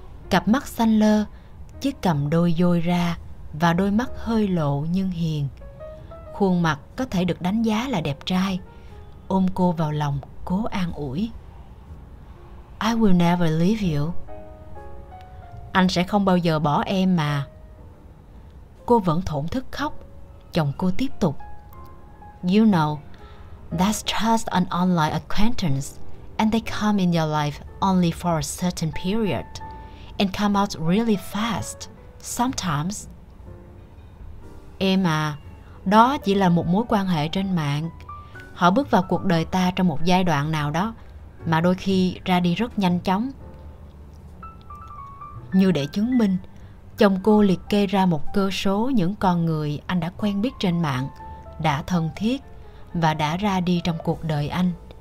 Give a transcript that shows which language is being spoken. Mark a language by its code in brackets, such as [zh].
[vi] Cặp mắt xanh lơ, chiếc cằm đôi dôi ra và đôi mắt hơi lộ nhưng hiền. Khuôn mặt có thể được đánh giá là đẹp trai. Ôm cô vào lòng, cố an ủi. [en] I will never leave you. [vi] Anh sẽ không bao giờ bỏ em mà. Cô vẫn thổn thức khóc. Chồng cô tiếp tục. [en] You know, that's just an online acquaintance and they come in your life only for a certain period and come out really fast sometimes. [vi] Em à, đó chỉ là một mối quan hệ trên mạng. Họ bước vào cuộc đời ta trong một giai đoạn nào đó mà đôi khi ra đi rất nhanh chóng. Như để chứng minh, chồng cô liệt kê ra một cơ số những con người anh đã quen biết trên mạng, đã thân thiết và đã ra đi trong cuộc đời anh.